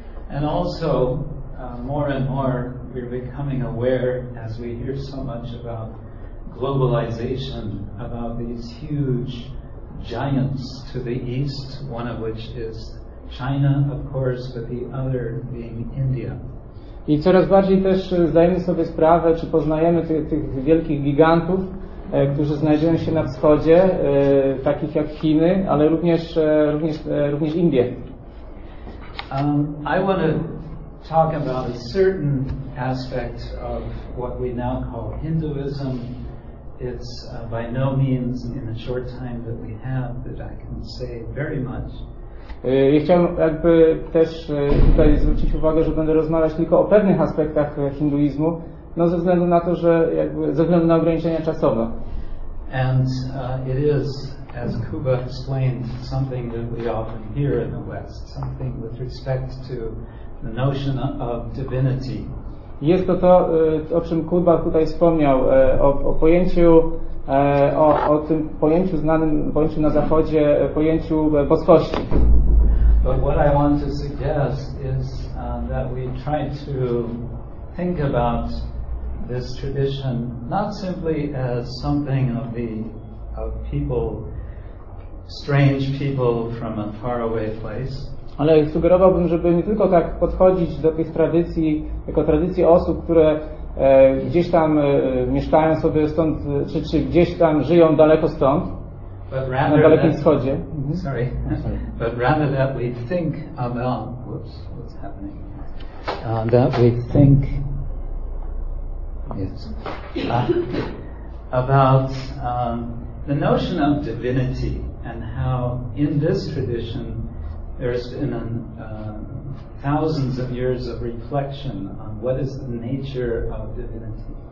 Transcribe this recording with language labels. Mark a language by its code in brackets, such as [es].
[en] And also, more and more, we're becoming aware as we hear so much about globalization, about these huge giants to the east, one of which is China, of course, but the other being India. [pl] I coraz bardziej też zdajemy sobie sprawę, czy poznajemy tych wielkich gigantów, którzy znajdują się na wschodzie, takich jak Chiny, ale również Indie. [en] I want to talk about a certain aspect of what we now call Hinduism. It's by no means in the short time that we have that I can say very much. [pl] Ja chciałem jakby też tutaj zwrócić uwagę, że będę rozmawiać tylko o pewnych aspektach hinduizmu, no ze względu na to, że jakby ze względu na ograniczenia czasowe. [en] And it is, as Kuba explained, something that we often hear in the West, something with respect to the notion of divinity. [pl] Jest to to, o czym Kuba tutaj wspomniał, o pojęciu, o tym pojęciu znanym, pojęciu na Zachodzie, pojęciu boskości. [en] But what I want to suggest is that we try to think about this tradition not simply as something of people, strange people from a faraway place. [pl] Ale sugerowałbym, żeby nie tylko tak podchodzić do tych tradycji, jako tradycji osób, które gdzieś tam mieszkają sobie stąd, czy gdzieś tam żyją daleko stąd, na Dalekim Wschodzie. [en] Sorry. But rather that we think about... Whoops, what's happening? That we think... Yes. About the notion of divinity and how in this tradition there's been thousands of years of reflection on what is the nature of divinity.